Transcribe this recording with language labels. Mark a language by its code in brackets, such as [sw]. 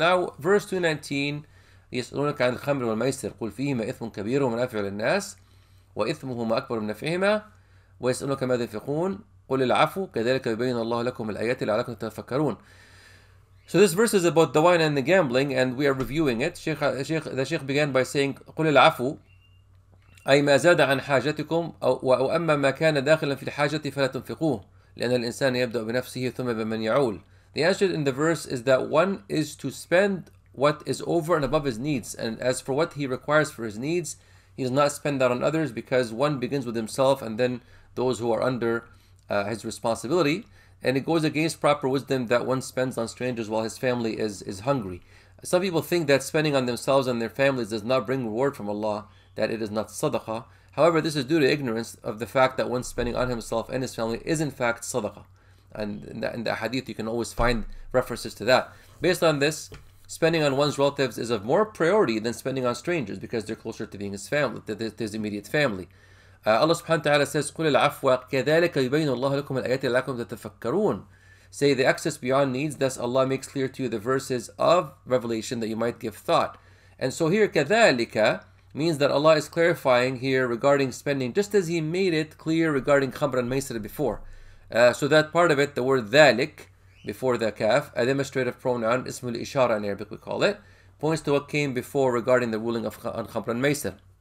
[en] Now, verse 219, [ar] يَسْأَلُونَكَ عَنِ الْخَمْرِ وَالْمَيْسِرِ قُلْ فِيهِمَا إِثْمٌ كَبِيرٌ وَمَنَافِعُ لِلنَّاسِ وَإِثْمُهُمَا أَكْبَرُ مِنْ نَفْعِهِمَا وَيَسْأَلُونَكَ مَاذَا يُنْفِقُونَ قُلِ الْعَفْوَ كَذَلِكَ يُبَيِّنُ اللَّهُ لَكُمُ الْآيَاتِ لَعَلَّكُمْ تَتَفَكَّرُونَ. [en] So this verse is about the wine and the gambling, and we are reviewing it. The Sheikh began by saying, [ar] قُلِ الْعَفُوْ أَيْ مَا زَادَ عَنْ حَاجَتِكُمْ وَأَمَّا مَا كَانَ دَاخِلًا فِي الْحَاجَةِ فَلَا تُنْفِقُوهُ لِأَنَّ الْإِنسَانَ يَبْدَأُ بِنَفْسِهِ ثُمَّ بِمَنْ يَعُولُ. [en] The answer in the verse is that one is to spend what is over and above his needs, and as for what he requires for his needs, he does not spend that on others, because one begins with himself and then those who are under his responsibility. And it goes against proper wisdom that one spends on strangers while his family is hungry. Some people think that spending on themselves and their families does not bring reward from Allah, that it is not sadaqah. However, this is due to ignorance of the fact that one spending on himself and his family is in fact sadaqah. And in the hadith, you can always find references to that. Based on this, spending on one's relatives is of more priority than spending on strangers, because they're closer to being his family, to his immediate family. Allah subhanahu wa ta'ala says, [ar] قُلِ الْعَفْوَ كَذَلِكَ يُبَيْنُ اللَّهُ لَكُمُ الْآيَاتِ لَكُمْ تَتَفَكَّرُونَ. [en] Say, the access beyond needs, thus Allah makes clear to you the verses of revelation that you might give thought. And so here, كَذَلِكَ means that Allah is clarifying here regarding spending, just as He made it clear regarding خَمْرَ الْمَيْسِرَ before. So that part of it, the word ذَلِك before the kaf, a demonstrative pronoun, ismul ishara in Arabic we call it, points to what came before regarding the ruling of خَمْرَ الْمَيْسِرَ.